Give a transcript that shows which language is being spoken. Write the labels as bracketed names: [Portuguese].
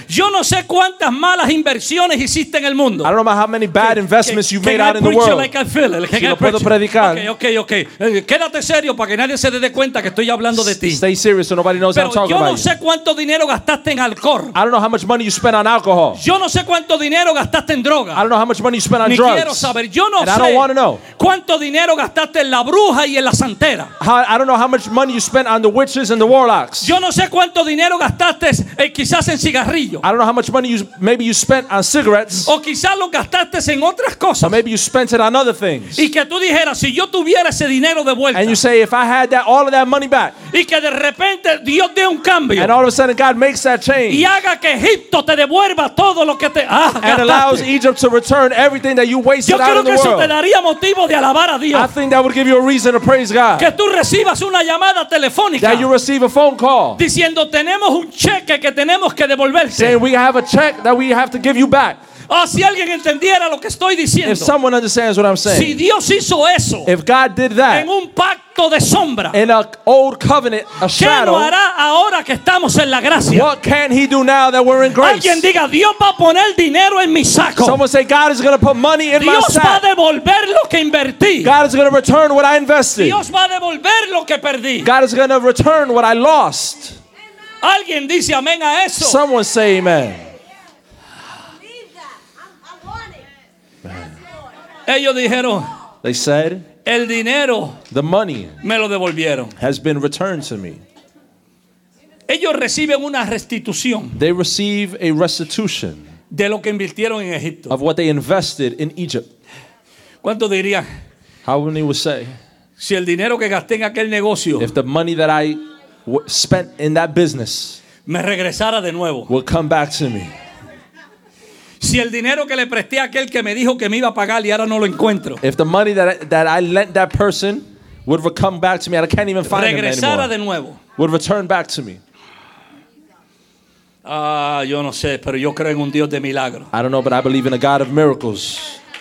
[Spanish] Yo no sé cuántas malas inversiones hiciste en el mundo. [English] I don't know how many bad investments you made out in the world. Like I feel it? [Spanish] Si lo puedo predicar. [English] Okay. [Spanish] Quédate serio para que nadie se dé cuenta que estoy hablando de ti. [English] Stay serious so nobody knows I'm talking about. [Spanish] Yo no sé cuánto dinero gastaste en alcohol. [English] I don't know how much money you spent on alcohol. [Spanish] Yo no sé cuánto dinero gastaste en droga. [English] I don't know how much money you spent on [Spanish] Ni [English] drugs. [Spanish] Quiero saber. Yo no [English] And [Spanish] sé [English] I don't want to know. [Spanish] Cuánto dinero gastaste en la bruja y en la santera. [English] I don't know how much money you spent on the witches and the warlocks. [Spanish] Yo no sé cuánto dinero gastaste quizás en cigarrillos. [English] I don't know how much money you maybe you spent on cigarettes. [Spanish] O quizá lo gastaste en otras cosas. [English] Or maybe you spent it on other things. [Spanish] Y que tú dijeras si yo tuviera ese dinero de vuelta. [English] And you say if I had that all of that money back. [Spanish] Y que de repente Dios dé un cambio. [English] And all of a sudden God makes that change. [Spanish] Y haga que Egipto te devuelva todo lo que te [English] And [Spanish] gastaste. [English] Allows Egypt to return everything that you wasted out in the world. [Spanish] Yo creo que eso te daría motivo de alabar a Dios. [English] I think that would give you a reason to praise God. [Spanish] Que tú recibas una llamada telefónica. [English] That you receive a phone call. [Spanish] Diciendo tenemos un cheque que tenemos que devolverse. [English] And we have a check that we have to give you back. [Spanish] Oh, si alguien entendiera lo que estoy diciendo. [English] If someone understands what I'm saying. [Spanish] Si Dios hizo eso. [English] If God did that. [Spanish] En un pacto de sombra. [English] In an old covenant, a [Spanish] ¿qué [English] shadow. [Spanish] ¿Qué hará ahora que estamos en la gracia? [English] What can he do now that we're in grace? [Spanish] Alguien diga, Dios va a poner dinero en mi saco. [English] Someone say, God is going to put money in [Spanish] Dios [English] my sack. [Spanish] Dios va a devolver lo que invertí. [English] God is going to return what I invested. [Spanish] Dios va a devolver lo que perdí. [English] God is going to return what I lost. [Spanish] Alguien dice amén a eso. [English] Someone say amen. [Spanish] Ellos dijeron. [English] They said. [Spanish] El dinero. [English] The money. [Spanish] Me lo devolvieron. [English] Has been returned to me. [Spanish] Ellos reciben una restitución. [English] They receive a restitution. [Spanish] De lo que invirtieron en Egipto. [English] Of what they invested in Egypt. [Spanish] ¿Cuánto dirían? [English] How many would say? [Spanish] Si el dinero que gasté en aquel negocio. [English] If the money that I spent in that business [Spanish] me regresara de nuevo. [English] Will come back to me. [Spanish] Si el dinero que le presté a aquel que me dijo que me iba a pagar y ahora no lo encuentro. [English] If the money that I lent that person would come back to me, I can't even find him anymore. [Spanish] Regresara de nuevo. [English] Would return back to me. [Spanish] Yo no sé, pero yo creo en un Dios de milagros. [English] I don't know, but I believe in a God of miracles.